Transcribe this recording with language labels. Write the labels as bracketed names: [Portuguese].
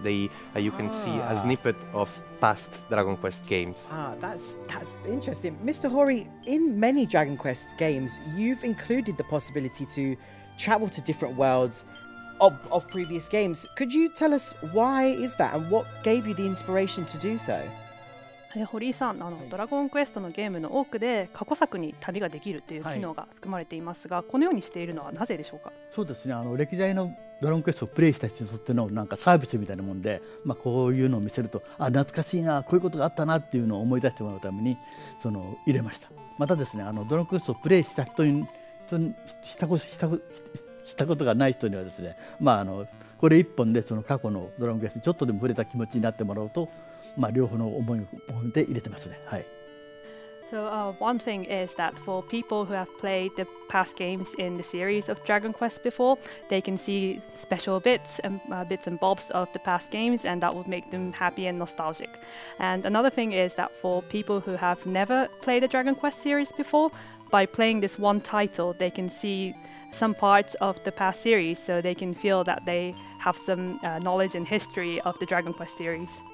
[English] You can see a snippet of past Dragon Quest games. That's interesting. Mr. Hori, in many Dragon Quest games, you've included the possibility to travel to different worlds of previous games. Could you tell us why is that, and what gave you the inspiration to do so? [Japanese] 堀井さん、ドラゴンクエストのゲームの多くで過去作に旅ができるという機能が含まれていますが、はい、このようにしているのはなぜでしょうか。そうですね、歴代のドラゴンクエストをプレイした人にとってのなんかサービスみたいなもんで、まあ、こういうのを見せると、あ、懐かしいな、こういうことがあったなっていうのを思い出してもらうために入れました。またですね、ドラゴンクエストをプレイした人にしたことがない人にはですね、まあ、これ一本でその過去のドラゴンクエストにちょっとでも触れた気持ちになってもらうと、まあ、両方の思いを込めて入れてますね。はい。 [English] So, one thing is that for people who have played the past games in the series of Dragon Quest before, they can see special bits and bits and bobs of the past games, and that would make them happy and nostalgic. And another thing is that for people who have never played the Dragon Quest series before, by playing this one title, they can see some parts of the past series, so they can feel that they have some knowledge and history of the Dragon Quest series.